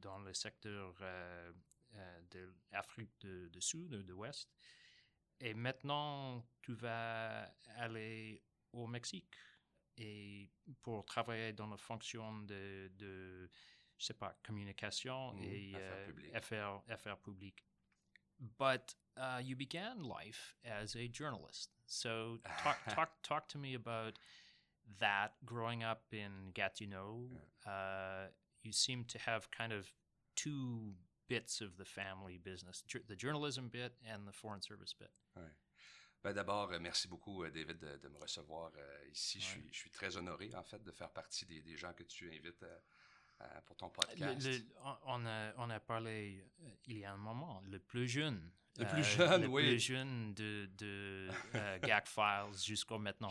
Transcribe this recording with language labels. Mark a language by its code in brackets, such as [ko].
[fr] dans le secteur de l'Afrique de Sud ou de l'Ouest. Et maintenant, tu vas aller au Mexique et pour travailler dans la fonction de je sais pas, communication et affaires publiques. [en] But you began life as a journalist. So talk to me about that. Growing up in Gatineau, you seem to have kind of two bits of the family business, the journalism bit and the foreign service bit. [fr] Ouais. Ben d'abord, merci beaucoup, David, de me recevoir ici. Ouais. Je suis très honoré, en fait, de faire partie des gens que tu invites pour ton podcast. On a parlé il y a un moment, le plus jeune. Le plus jeune. Le plus jeune de GAC Files jusqu'à maintenant.